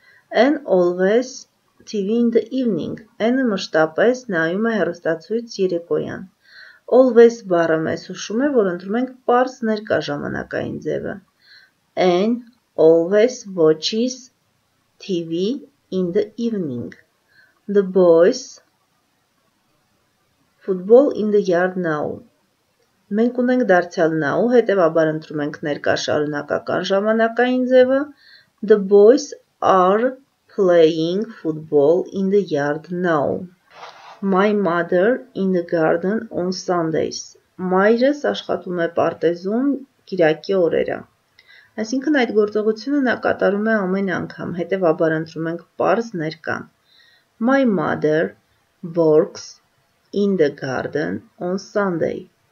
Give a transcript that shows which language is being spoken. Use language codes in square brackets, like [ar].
[en] And always TV in the evening. [hy] Այնը մշտապես նայում է հեռուստացույց երեկոյան։ Always բառը մեզ հուշում է, որ ընտրում ենք պարզ ներկա ժամանակային ձևը։ [en] And always watches TV in the evening. the boys football in the yard now. [hy] Մենք ունենք դարձյալ now, հետևաբար ընտրում ենք ներկայ շարունակական ժամանակային ձևը. [en] The boys are playing football in the yard now. My mother in the garden on Sundays. [hy] Մայրս աշխատում է պարտեզում կիրակի օրերը։ Այսինքն այդ գործողությունը նա կատարում է ամեն անգամ, հետևաբար ընտրում ենք պարզ ներկան։ [en] My mother works in the garden on Sunday.